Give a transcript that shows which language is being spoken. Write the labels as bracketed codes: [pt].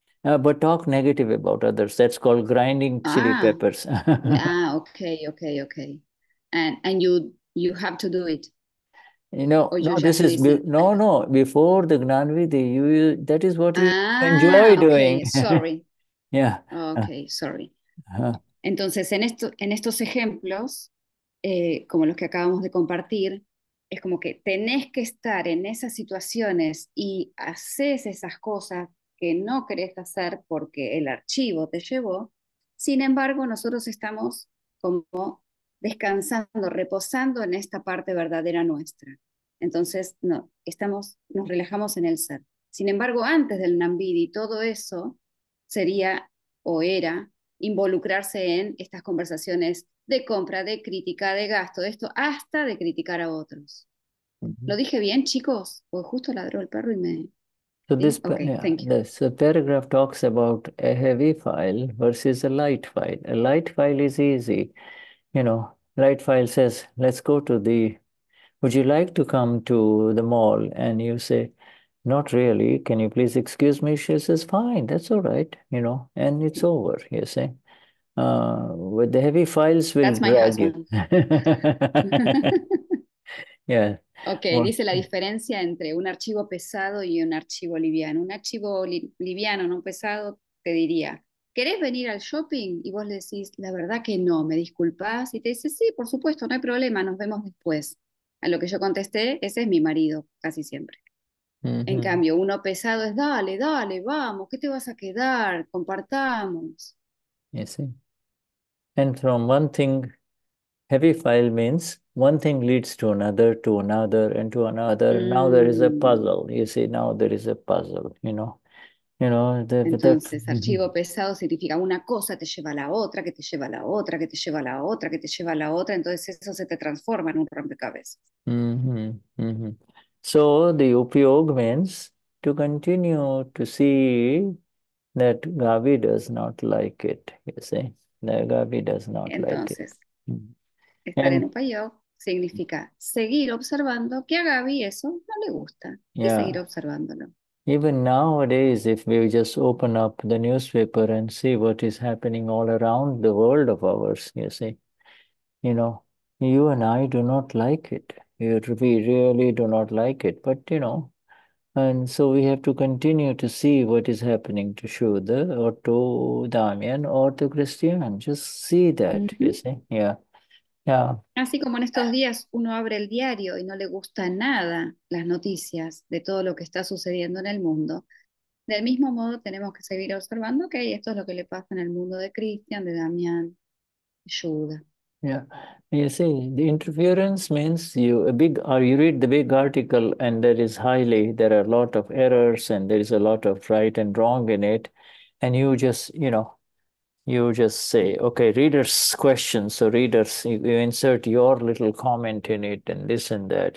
[en] But talk negative about others. That's called grinding chili peppers. okay. And you have to do it. You know, no, before the Gnanvidhi, that is what you enjoy doing. Sorry. Yeah. Okay, sorry. [es] Entonces, en estos ejemplos, como los que acabamos de compartir, es como que tenés que estar en esas situaciones y haces esas cosas que no querés hacer porque el archivo te llevó. Sin embargo, nosotros estamos como descansando, reposando en esta parte verdadera nuestra. Entonces, no, estamos, nos relajamos en el ser. Sin embargo, antes del Nambidi, todo eso sería o era involucrarse en estas conversaciones de compra, de crítica, de gasto, de esto, hasta de criticar a otros. ¿Lo dije bien, chicos? O justo ladró el perro y me... [en] So this, this paragraph talks about a heavy file versus a light file. A light file is easy. You know, light file says, let's go to the... Would you like to come to the mall? And you say, not really. Can you please excuse me? She says, fine, that's all right. You know, and it's over, you see. With the heavy files will that's my drag husband. You. Yeah. Okay, well, [es] dice la diferencia entre un archivo pesado y un archivo liviano. Un archivo liviano, no pesado, te diría, ¿querés venir al shopping? Y vos le decís, la verdad que no, ¿me disculpás? Y te dice, sí, por supuesto, no hay problema, nos vemos después. A lo que yo contesté, ese es mi marido, casi siempre. Mm-hmm. En cambio, uno pesado es, dale, dale, vamos, ¿qué te vas a quedar? Compartamos. [en] You see. And from one thing, heavy file means one thing leads to another, and to another. Mm. Now there is a puzzle. You see, now there is a puzzle, you know. You know, [es] entonces, archivo pesado significa una cosa te lleva a la otra, que te lleva a la otra, que te lleva a la otra, que te lleva a la otra. Entonces, eso se te transforma en un rompecabezas. Mm-hmm, mm-hmm. [en] So, the upyog means to continue to see that Gavi does not like it. You see, that Gavi does not like it. [es] Estar en upyog significa seguir observando que a Gavi eso no le gusta. Yeah. Y seguir observándolo. [en] Even nowadays, if we just open up the newspaper and see what is happening all around the world of ours, you see, you know, you and I do not like it. We really do not like it. But, you know, and so we have to continue to see what is happening to Shuddha or to Damian or to Cristian. Just see that, mm-hmm. You see. Yeah. Yeah. [es] Así como en estos días uno abre el diario y no le gusta nada las noticias de todo lo que está sucediendo en el mundo, del mismo modo tenemos que seguir observando que okay, esto es lo que le pasa en el mundo de Cristian, de Damián, de Yuda. [en] Yeah. You see, the interference means you read the big article and there are a lot of errors and there is a lot of right and wrong in it, and you just, you know, you just say, okay, readers' questions. So readers, you insert your little comment in it and this and that.